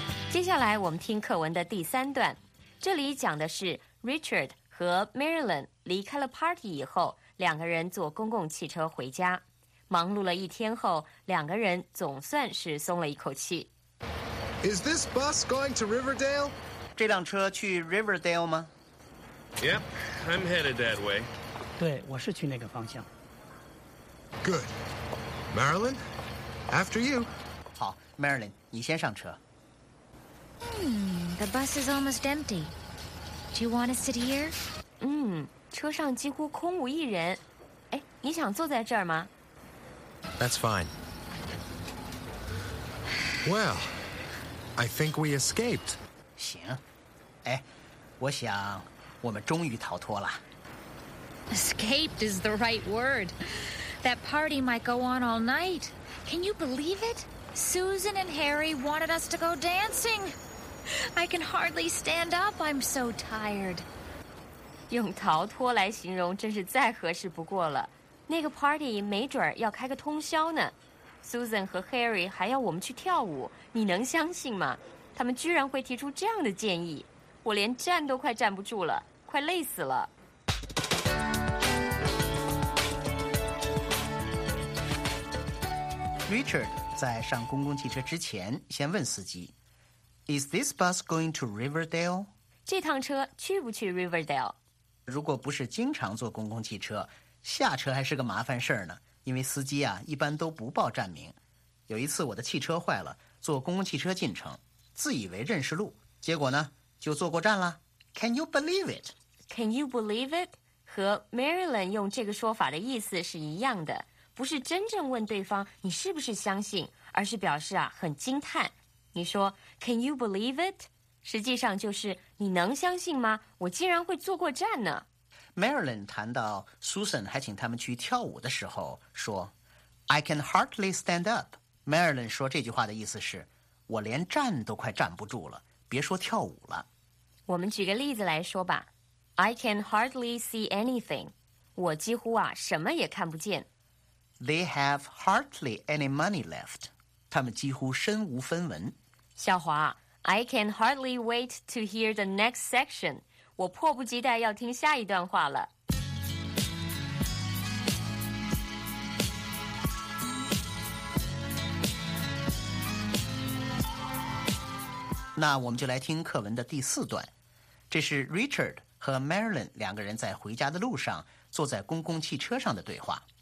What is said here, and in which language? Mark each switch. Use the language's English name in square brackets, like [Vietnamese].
[Chinese] 接下来我们听课文的第三段，这里讲的是 Richard 和 Marilyn 离开了 party 以后，两个人坐公共汽车回家。忙碌了一天后，两个人总算是松了一口气。 [English] Is this bus going to Riverdale? [Chinese] 这辆车去 Riverdale 吗？ [English] Yep, I'm headed that way. [Chinese] 对，我是去那个方向。 [English] Good. Marilyn, after you. [Chinese] 好， Marilyn, 你先上车。 [English] The bus is almost empty. Do you want to sit here? [Chinese] 车上几乎空无一人。哎，你想坐在这儿吗？ [English] That's fine. Well, I think we escaped. [Chinese] 行。哎，我想我们终于逃脱了。 [English] Escaped is the right word. That party might go on all night. Can you believe it? Susan and Harry wanted us to go dancing. I can hardly stand up. I'm so tired. [Chinese] 用逃脱来形容真是再合适不过了。那个 party 没准要开个通宵呢。Susan 和 Harry 还要我们去跳舞，你能相信吗？他们居然会提出这样的建议，我连站都快站不住了，快累死了。 Richard 在上公共汽车之前先问司机。 [English] Is this bus going to Riverdale? [Chinese] 这趟车去不去 Riverdale? 如果不是经常坐公共汽车，下车还是个麻烦事儿呢，因为司机啊一般都不报站名。有一次我的汽车坏了，坐公共汽车进城，自以为认识路，结果呢就坐过站了。 [English] Can you believe it? Can you believe it? [Chinese] 和 Marilyn 用这个说法的意思是一样的，不是真正问对方你是不是相信，而是表示啊很惊叹。 [English] 你说 Can you believe it? [Chinese] 实际上就是你能相信吗？我竟然会坐过站呢。 Marilyn 谈到 Susan 还请他们去跳舞的时候说 I can hardly stand up. Marilyn 说这句话的意思是我连站都快站不住了，别说跳舞了。我们举个例子来说吧， I can hardly see anything. 我几乎啊什么也看不见。 [English] They have hardly any money left. [Chinese] 他们几乎身无分文。 [English] 小华， I can hardly wait to hear the next section. [Chinese] 我迫不及待要听下一段话了。那我们就来听课文的第四段。这是 Richard 和 Marilyn 两个人在回家的路上坐在公共汽车上的对话。